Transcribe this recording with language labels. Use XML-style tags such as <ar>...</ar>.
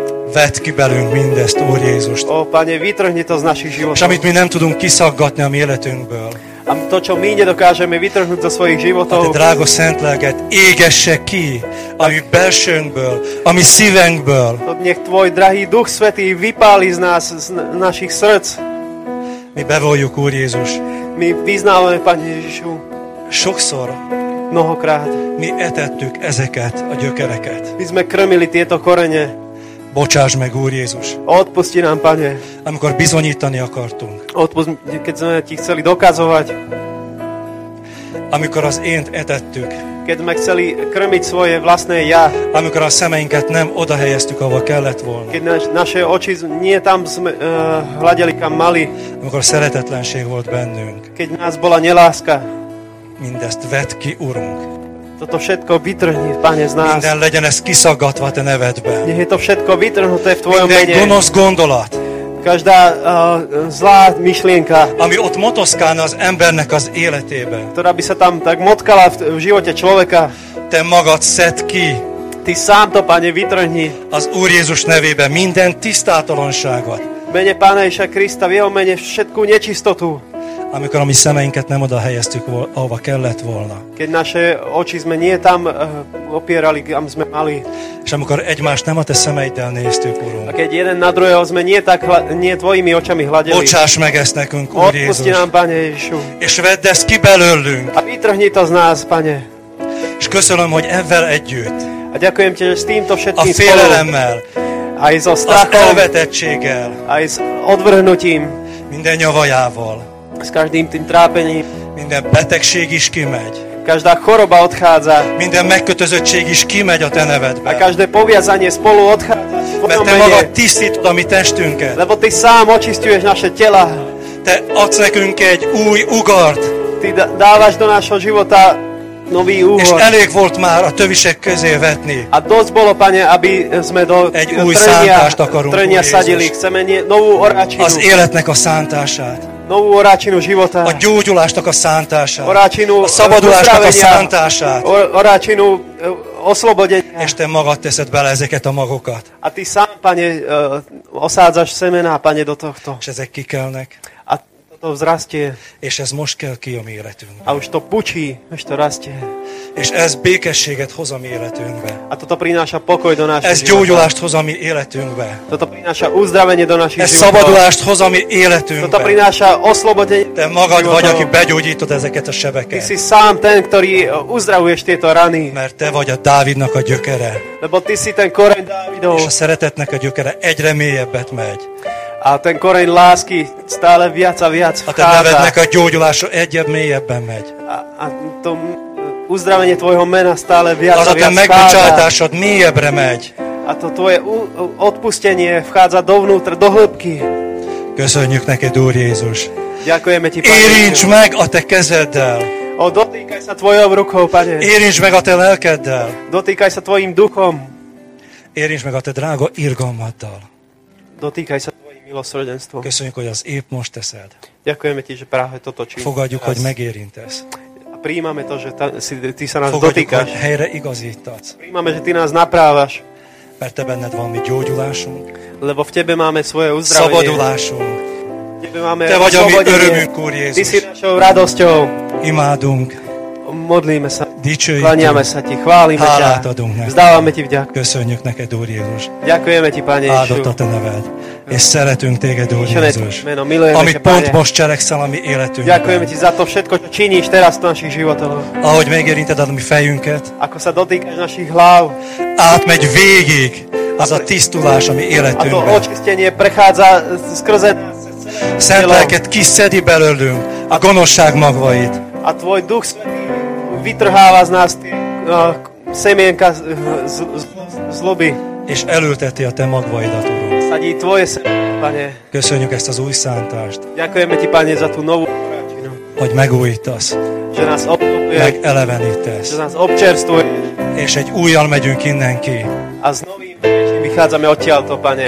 <hu>Vedd ki belünk mindezt, Úr Jézust.</hu> <sk>Ó, Pane, vytrhni to z našich životov.</sk> <hu>És amit mi nem tudunk kiszaggatni a mi életünkből.</hu> <sk>A to, čo my nedokážeme vytrhnúť zo svojich životov.</sk> <hu>A te drágo szent lelket, égesse ki a mi belsőnkből, a mi szívenkből.</hu> <sk>Nech tvoj drahý duch svätý vypáli z nás, z našich srdc.</sk> <hu>Mi bevoljuk, Úr Jézus.</hu> <sk>Mi vyznávame, Pane Ježišu.</sk> <hu>Sokszor.</hu> <sk>Mnohokrát.</sk> <hu>Mi etettük ezeket a gyökereket.</hu> <sk>My sme krmili tieto korene.</sk> <hu>Bocsáss meg, Úr Jézus.</hu> <sk>Odpusti nám, Pane.</sk> <hu>Amikor bizonyítani akartunk.</hu> <sk>Odpusti, keď sme ti chceli dokazovať.</sk> <hu>Amikor az ént etettük.</hu> <sk>Keď sme chceli krmiť svoje vlastné ja.</sk> <hu>Amikor a szemeinket nem oda helyeztük, ahova kellett volna.</hu> <sk>Keď naše oči nie tam sme hľadeli, kam mali.</sk> <hu>Amikor szeretetlenség volt bennünk.</hu> <sk>Keď nás bola neláska.</sk> <hu>Mindezt vedd ki, Urunk.</hu> <sk>Toto všetko vytrhni, Pane, z nás.</sk> <hu>Minden legyen ez kiszaggatva te nevedben.</hu> <sk>Nech je to všetko vytrhnuté v Tvojom mene.</sk> <hu>Minden gonosz gondolat.</hu> <sk>Každá zlá myšlienka.</sk> <hu>Ami ott motoszkálna az embernek az életében.</hu> <sk>Ktorá by sa tam tak motkala v živote človeka.</sk> <hu>Te magad szedd ki.</hu> <sk>Ty sám to, Pane, vytrhni.</sk> <hu>Az Úr Jézus nevében minden tisztátalanságot.</hu> <sk>Mene Pána Ježiša Krista, v Jeho mene všetku nečistotu.</sk> <hu>Amikor a mi szemeinket nem oda helyeztük, ahova kellett volna.</hu> <sk>Keď naše oči sme nie tam opierali, kam sme mali.</sk> <hu>És amikor egymást nem a te szemeiddel néztük, Urunk.</hu> <sk>A keď jeden na druhého sme nie tvojimi očami hľadeli.</sk> <hu>Bocsáss meg ezt nekünk, Úr Jézus.</hu> <sk>Odpusti nám, Pane Ježišu.</sk> <hu>És vedd ezt ki belőlünk.</hu> <sk>A vytrhni to z nás, Pane.</sk> <hu>És köszönöm, hogy ezzel együtt.</hu> <sk>A ďakujem ti, že s týmto všetkým spolu.</sk> <hu>A félelemmel.</hu> <sk>Aj so strachom.</sk> <hu>A elvetettséggel.</hu> <sk>Aj s odvrhnutím.</sk> <hu>Minden nyavajával.</hu> <sk>S každým tým trápením.</sk> <hu>Minden betegség is kimegy.</hu> <sk>Každá choroba odchádza.</sk> <hu>Minden megkötözöttség is kimegy a te nevedben.</hu> <sk>A každé poviazanie spolu odchádza.</sk> <hu>Mert te magad tisztítod a mi testünket.</hu> <sk>Lebo ty sám očistuješ naše tela.</sk> <hu>Te adsz nekünk egy új ugart.</hu> <sk>Ty dávaš do nášho života nový úhor.</sk> <hu>És elég volt már a tövisek közé vetni.</hu> <sk>A dosť bolo, Pane, aby sme do</sk> <hu>egy új szántást akarunk,</hu> <sk>trnia sadili. Chceme novú oráčinu.</sk> <hu>Az életnek a szántását.</hu> <sk>Novú oráčinu života.</sk> <hu>A gyógyulásnak a szántását.</hu> <sk>Oráčinu</sk> <hu>a szabadulásnak a szántását.</hu> <sk>Oráčinu oslobodenia.</sk> <hu>És te magad teszed bele ezeket a magokat.</hu> <sk>A ty sám, Pane, osádzaš semená, Pane, do tohto.</sk> <hu>És ezek kikelnek.</hu> <sk>A toto vzrastie.</sk> <hu>És ez most kell ki a mi életünkbe.</hu> <sk>A už to pučí, až to rastie.</sk> <hu>És ez békességet hoz a mi életünkbe.</hu> <sk>A toto prináša pokoj do našich života.</sk> <hu>Ez gyógyulást hoz a mi életünkbe.</hu> <sk>Toto prináša uzdravenie do našich života.</sk> <hu>Ez szabadulást hoz a mi életünkbe.</hu> <sk>Toto prináša oslobodenie.</sk> <hu>Te magad vagy, aki begyógyítod ezeket a sebeket.</hu> <sk>Ty si sám ten, ktorý uzdravuješ tieto rany.</sk> <hu>Mert te vagy a Dávidnak a gyökere.</hu> <sk>Lebo ty si ten koreň Dávidov.</sk> <hu>És a szeretetnek a gyökere egyre mélyebbet megy.</hu> <sk>A ten koreň lásky stále viac a viac vchádza.</sk> <hu>A te nevednek a gyógyulása egyre mélyebben megy.</hu> <sk>A uzdravenie tvojho mena stále viac a viac.</sk> <hu>A ten megbocsátásod mélyebbre megy.</hu> <sk>A to tvoje odpustenie vchádza dovnútr, do hĺbky.</sk> <hu>Köszönjük neked, Úr Jézus.</hu> <sk>Ďakujeme ti, Pane.</sk> <hu>Érincs meg a te kezeddel.</hu> <sk>O, dotýkaj sa tvojou rukou, Pane.</sk> <hu>Érincs meg a te lelkeddel.</hu> <sk>Dotýkaj sa tvojim duchom.</sk> <hu>Érincs meg a te drága irgalmaddal.</hu> <sk>Dotýkaj sa tvojim milosrdenstvom.</sk> <hu>Köszönjük, hogy az épp most teszed.</hu> <sk>Ďakujeme ti, že práve toto činíš.</sk> <hu>Fogadjuk, hogy megérintesz.</hu> <sk>Prijímame to, že ty sa nás dotýkaš.</sk> <hu>Helyre igazítac.</hu> <sk>Prijímame, že ty nás naprávaš.</sk> <hu>Mert te benned van mi gyógyulásunk.</hu> <sk>Lebo v tebe máme svoje uzdravenie.</sk> <hu>Szabadulásunk.</hu> <sk>V tebe máme</sk> <hu>te vagy a mi örömünk, Úr Jézus.</hu> <sk>Ty si našou radosťou.</sk> <hu>Imádunk.</hu> <sk>Modlíme sa.</sk> <hu>D- dicsőítünk.</hu> <sk>Klaniame sa ti, chválime ťa.</sk> <hu>Hálát adunk neked.</hu> <sk>Vzdávame ti vďak.</sk> <hu>Köszönjük neked, Úr Jézus.</hu> <sk>Ďakujeme ti, Pane Ježiš.</sk> <hu>Áldott a te neved. És szeretünk téged, Úr Jézus.</hu> <sk>Meno, milujeme ťa, Pane.</sk> <hu>Pont most cselekszel a mi életünkben.</hu> <sk>Ďakujeme ti za to všetko, čo činíš teraz v našich životoch.</sk> <hu>Ahogy megérinted a mi fejünket.</hu> <sk>Ako sa dotýkaš našich hlav.</sk> <hu>Átmegy végig az a tisztulás, ami életünkben.</hu> <sk>A to očistenie prechádza skrze...</sk> <hu>Szent lelket kiszedi belőlünk a gonoszság magvait.</hu> <sk>A tvoj duch vytrháva z nás semienka zloby.</sk> <hu>És elülteti a te magvaidat, Urú.</hu> <sk>Sadí tvoje semienka, Pane.</sk> <hu>Köszönjük ezt az új szántást.</hu> <sk>Ďakujeme ti, Pane, za tú novú.</sk> <hu>Hogy megújítasz.</hu> <sk>Že nás obnovuješ.</sk> <hu>Meg elevenítesz.</hu> <sk>Že nás občerstvuješ.</sk> <hu>És egy újjal megyünk innen ki.</hu> <sk>A z novým vychádzame odtiaľto, Pane.</sk>